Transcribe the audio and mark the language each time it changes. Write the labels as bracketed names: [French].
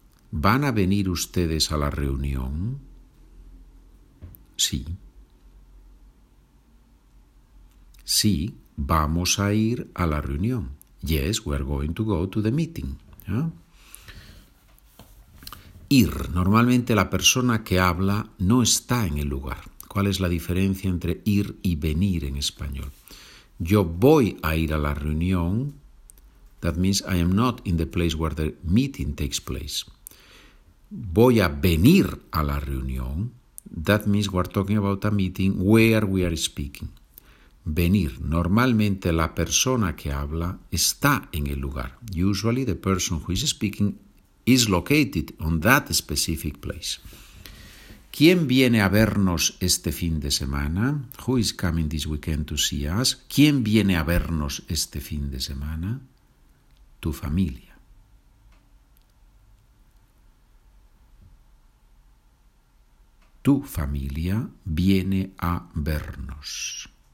[Spanish] ¿Van a venir ustedes a la reunión? Sí. Sí, vamos a ir a la reunión. [English] Yes, we're going to go to the meeting. ¿Eh? [Spanish] Ir. Normalmente la persona que habla no está en el lugar. ¿Cuál es la diferencia entre ir y venir en español? Yo voy a ir a la reunión. [English] That means I am not in the place where the meeting takes place. [Spanish] Voy a venir a la reunión. [English] That means we're talking about a meeting where we are speaking. [Spanish] Venir. Normalmente la persona que habla está en el lugar. [English] Usually the person who is speaking is located on that specific place. [Spanish] ¿Quién viene a vernos este fin de semana? [English] Who is coming this weekend to see us? [Spanish] ¿Quién viene a vernos este fin de semana? Tu familia. Tu familia viene a vernos.